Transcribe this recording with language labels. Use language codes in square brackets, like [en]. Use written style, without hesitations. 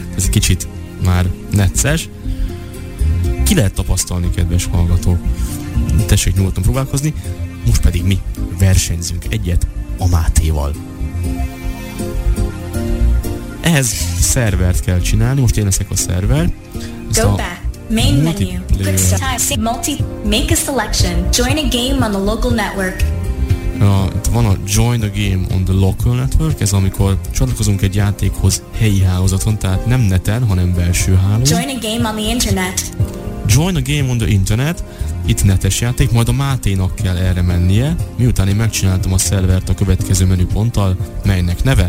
[hu] Ez egy kicsit már necces. Ki lehet tapasztalni, kedves hallgató? Tessék nyugodtan próbálkozni, most pedig mi versenyzünk egyet a Mátéval. Ehhez szervert kell csinálni, most én leszek a szerver. [en] Go back. Main menu. Quick start. Multi. Make a selection. Join a game on the local network. [hu] Itt van a [en] Join the Game on the Local Network, [hu] ez amikor csatlakozunk egy játékhoz helyi hálózaton, tehát nem neten, hanem belső hálózaton. [en] Join a game on the internet. Join a game on the internet, [hu] itt netes játék, majd a Máténak kell erre mennie, miután én megcsináltam a szervert a következő menüponttal, melynek neve?